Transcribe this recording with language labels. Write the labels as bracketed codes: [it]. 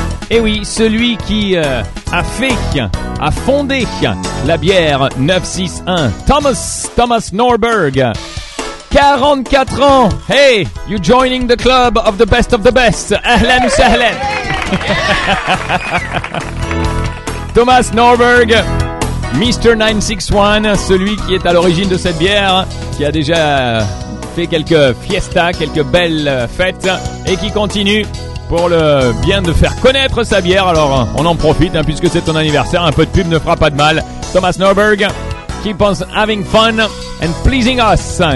[fr] Eh oui, celui qui a fondé la bière 961. Thomas Norberg. 44 ans. [en] Hey, you joining the club of the best of the best. [ar] Ahlan ou sahlan. [en] Thomas Norberg, Mr. [fr] 961, celui qui est à l'origine de cette bière, qui a déjà fait quelques fiestas, quelques belles fêtes, et qui continue pour le bien de faire connaître sa bière. Alors, on en profite, hein, puisque c'est ton anniversaire, un peu de pub ne fera pas de mal. [en] Thomas Norberg, keep on having fun and pleasing us.